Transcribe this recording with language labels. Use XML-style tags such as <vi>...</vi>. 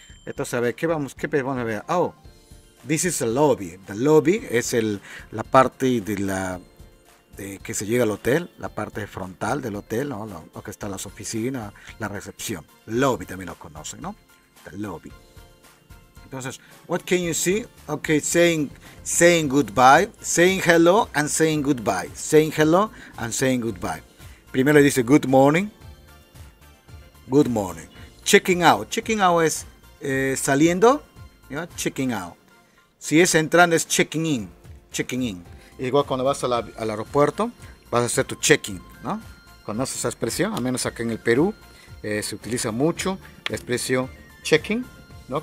<es>Entonces, a ver, ¿qué vamos a ver?</es> <en>Oh, this is a lobby. The lobby</en> <es>es la parte de la... que se llega al hotel, la parte frontal del hotel, ¿no? Lo que está las oficinas, la recepción. Lobby también lo conocen, ¿no?</es> <en>The lobby. Entonces, what can you see? Okay, saying goodbye, saying hello and saying goodbye. Saying hello and saying goodbye.</en> <es>Primero dice</es> <en>good morning. Good morning. Checking out.</en> <es>Checking out es saliendo, ¿ya? Checking out. Si es entrando es checking in. Checking in. Igual cuando vas al aeropuerto, vas a hacer tu check-in, ¿no? ¿Conoces esa expresión? Al menos acá en el Perú se utiliza mucho la expresión check-in, ¿no?</es>